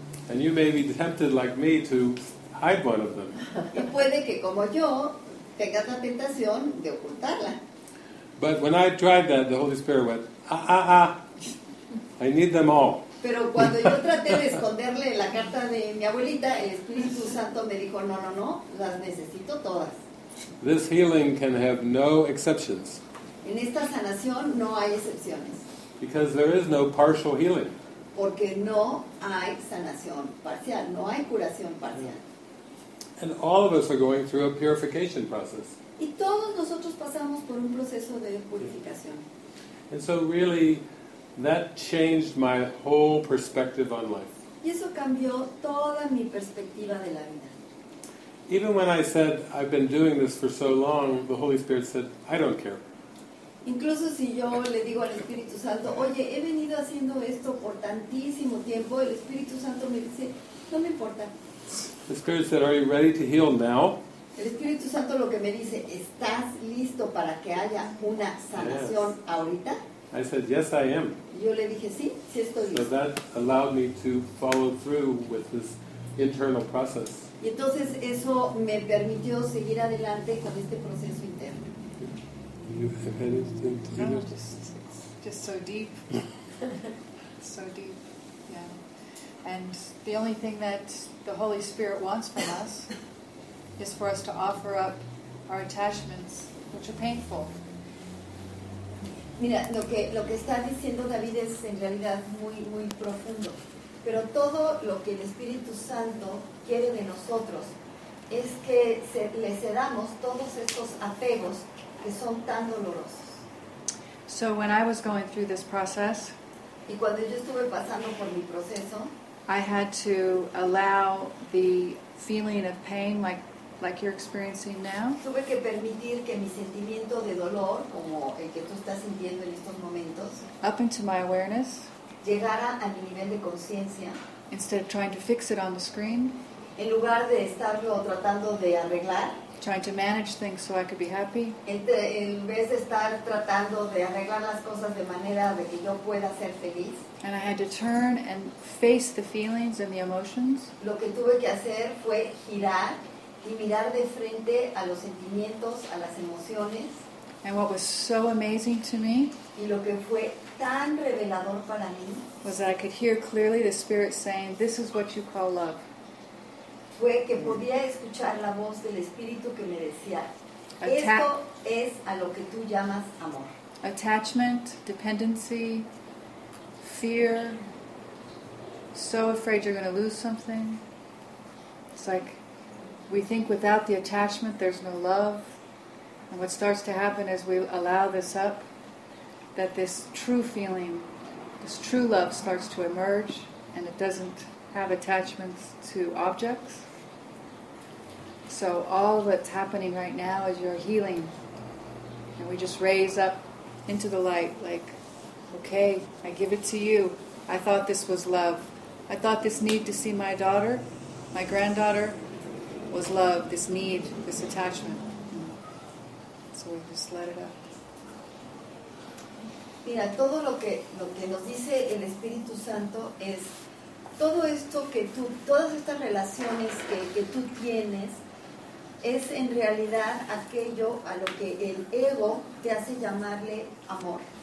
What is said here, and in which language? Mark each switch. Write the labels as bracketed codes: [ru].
[en] And you may be tempted like me to hide one of them. But when I tried that, the Holy Spirit went, ah, ah, ah, I need them all. [es] Pero cuando yo traté de esconderle la carta de mi abuelita, el Espíritu Santo me dijo, no, no, no, las necesito todas. [en] This healing can have no exceptions. [es] En esta sanación no hay excepciones. [en] Because there is no partial healing. [es] Porque no hay sanación parcial, no hay curación parcial. [en] And all of us are going through a purification process. [es] Y todos nosotros pasamos por un proceso de purificación. [en] And so really, that changed my whole perspective on life. [es] Y eso cambió toda mi perspectiva de la vida. [en] Even when I said, I've been doing this for so long, the Holy Spirit said, I don't care. [es] Incluso si yo le digo al Espíritu Santo, oye, he venido haciendo esto por tantísimo tiempo, el Espíritu Santo me dice, no me importa. [en] The Spirit said, are you ready to heal now? [es] El Espíritu Santo lo que me dice, ¿estás listo para que haya una sanación [en] yes. [es] ahorita? [en] I said, yes, I am. [es] Yo le dije, sí, sí estoy listo. [en] So that allowed me to follow through with this internal process. [es] Y entonces eso me permitió seguir adelante con este proceso interno. [en] Do you have anything to No, just so deep. So deep, yeah. And the only thing that the Holy Spirit wants from us is for us to offer up our attachments, which are painful. [es] Mira, lo que está diciendo David es en realidad muy, muy profundo. Pero todo lo que el Espíritu Santo quiere de nosotros es que le cedamos todos estos apegos que son tan dolorosos. [en] So when I was going through this process, [es] y cuando yo estuve pasando por mi proceso, [en] I had to allow the feeling of pain like you're experiencing now. [es] Tuve que permitir que mi sentimiento de dolor, como el que tú estás sintiendo en estos momentos, [en] up into my awareness. [es] Llegara a mi nivel de conciencia. [en] Instead of trying to fix it on the screen. [es] En lugar de estarlo tratando de arreglar. [en] Trying to manage things so I could be happy. [es] En vez de estar tratando de arreglar las cosas de manera de que yo pueda ser feliz. [en] And I had to turn and face the feelings and the emotions. [es] Lo que tuve que hacer fue girar y mirar de frente a los sentimientos, a las emociones. [en] And what was so amazing to me, [es] y lo que fue tan revelador para mí, [en] was that I could hear clearly the Spirit saying, "This is what you call love." [es] Fue que podía escuchar la voz del Espíritu que me decía, esto es a lo que tú llamas amor. [en] Attachment, dependency, fear, so afraid you're going to lose something. It's like we think without the attachment there's no love. And what starts to happen as we allow this up, that this true feeling, this true love starts to emerge, and it doesn't have attachments to objects. So all that's happening right now is you're healing. And we just raise up into the light, like, okay, I give it to you. I thought this was love. I thought this need to see my daughter, my granddaughter, was love, this need, this attachment. So we just let it up. [es] Mira, todo lo que nos dice el Espíritu Santo es todo esto que tú, todas estas relaciones que tú tienes, es en realidad aquello a lo que el ego te hace llamarle amor.